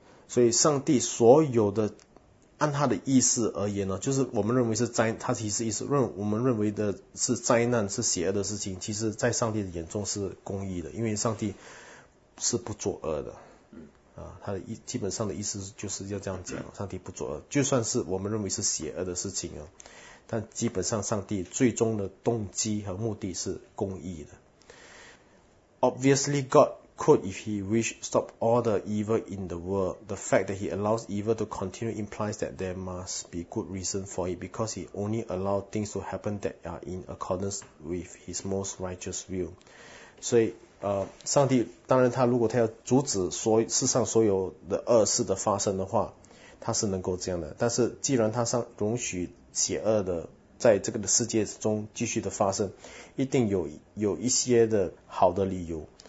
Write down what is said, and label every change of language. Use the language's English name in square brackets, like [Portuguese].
[Chinese] 所以上帝所有的按他的意思而言呢，就是我们认为是灾，他其实意思认我们认为的是灾难是邪恶的事情，其实在上帝的眼中是公义的，因为上帝是不作恶的。他的基本上的意思就是要这样讲，上帝不作恶，就算是我们认为是邪恶的事情啊，但基本上上帝最终的动机和目的是公义的。 [English] Obviously, God could, if he wished, stop all the evil in the world. The fact that he allows evil to continue implies that there must be good reason for it, because he only allows things to happen that are in accordance with his most righteous will. [Chinese] 所以上帝当然他如果他要阻止所世上所有的恶事的发生的话，他是能够这样的。但是既然他上容许邪恶的在这个世界中继续的发生，一定有一些的好的理由。